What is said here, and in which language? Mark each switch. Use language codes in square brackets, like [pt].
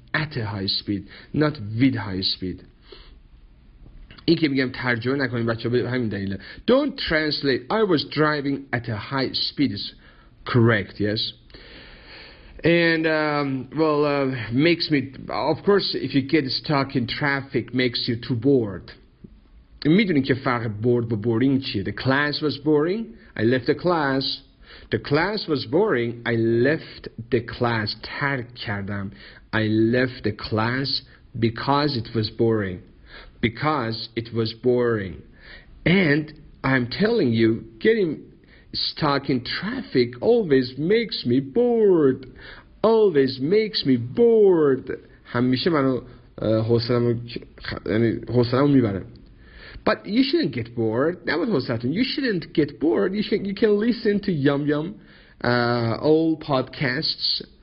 [en] At a high speed, not with high speed. [fa] این که میگم ترجمه نکنید بچه‌ها به همین دلیل. [en] Don't translate. I was driving at a high speed is correct. Yes. And makes me, of course, if you get stuck in traffic, makes you too bored. [fa] میدونین که فرق bored با boring چیه. [en] The class was boring, I left the class. The class was boring, I left the class. [fa] ترک کردم. [en] I left the class because it was boring. Because it was boring. And I'm telling you, getting stuck in traffic always makes me bored. Always makes me bored. [fa] همیشه منو حوصله‌مو میبره. [en] But you shouldn't get bored. That was what's happening. You shouldn't get bored. You can listen to Yum Yum, old podcasts.